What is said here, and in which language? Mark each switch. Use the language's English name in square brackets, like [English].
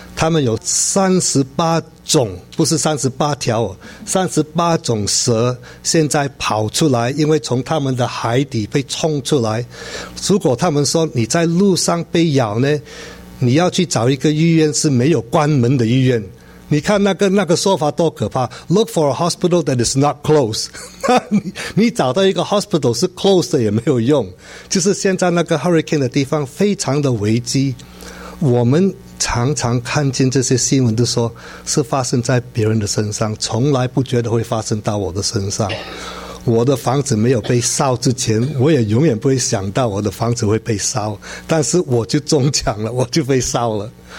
[Chinese] 他们有38种，不是38条哦，38种蛇现在跑出来，因为从他们的海底被冲出来。如果他们说你在路上被咬呢，你要去找一个医院是没有关门的医院。你看那个说法多可怕 ， [English] Look for a hospital that is not closed 。 [Chinese] 你找到一个 hospital 是 closed 的也没有用。就是现在那个 hurricane 的地方非常的危机。我们常常看见这些新闻，都说是发生在别人的身上，从来不觉得会发生到我的身上。我的房子没有被烧之前，我也永远不会想到我的房子会被烧，但是我就中奖了，我就被烧了。